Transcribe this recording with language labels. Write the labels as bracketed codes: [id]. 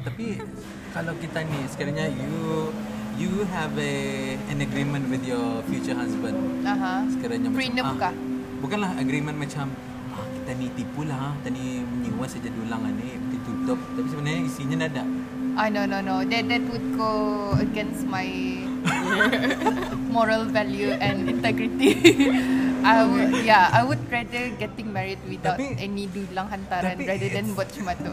[ms] Tapi kalau kita ni, sekiranya [en] you have an agreement with your future husband. [ms] Sekiranya prenup kah? Bukanlah agreement macam, kita ni tipu lah. Kita ni menyewa saja dulang ni, kita tutup. Tapi sebenarnya isinya dah ada. [en] No. That would go against my moral value and integrity. I would rather getting married without any dulang hantaran rather than [ms] buat cuma tu.